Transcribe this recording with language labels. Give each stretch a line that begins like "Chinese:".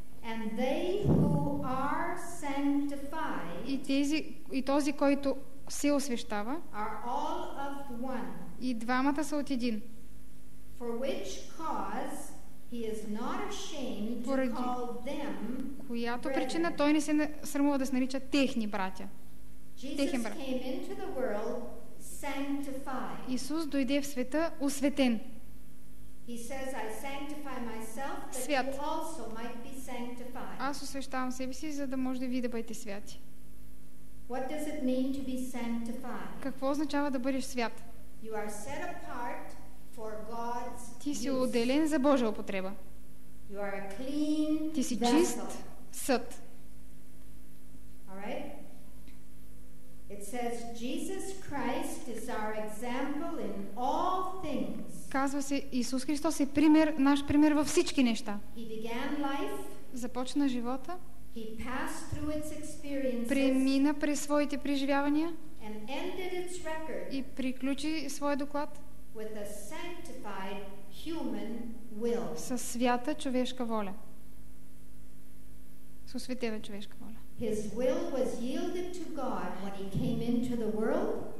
English: and they who are sanctified,
Bulgarian: и този, който се освещава,
English: are all of one,
Bulgarian: и двамата са от един.
English: For which cause he is not ashamed to call them,
Bulgarian: която причина той не се срамува да се нарича техни братя. Техен брат.
English: Jesus came into the world sanctified.
Bulgarian: Исус дойде в света осветен.
English: He says, I sanctify myself, that you also might be sanctified.
Bulgarian: Аз освещавам себе си, за да може ви да бъдете святи.
English: What does it mean to be sanctified?
Bulgarian: Какво означава да бъдеш свят?
English: You are set apart for God's use.
Bulgarian: Ти си отделен за Божия употреба.
English: You are a clean vessel.
Bulgarian: Ти си чист съд.
English: All right? It says Jesus Christ is our example in all things.
Bulgarian: Казва се, Исус Христос е пример, наш пример във всички неща.
English: He began life.
Bulgarian: Започна живота.
English: He passed through its experiences.
Bulgarian: Премина през своите преживявания.
English: And ended its record.
Bulgarian: И приключи своя доклад.
English: With a sanctified human will.
Bulgarian: Със свята човешка воля. С осветена човешка воля.
English: His will was yielded to God when he came into the world.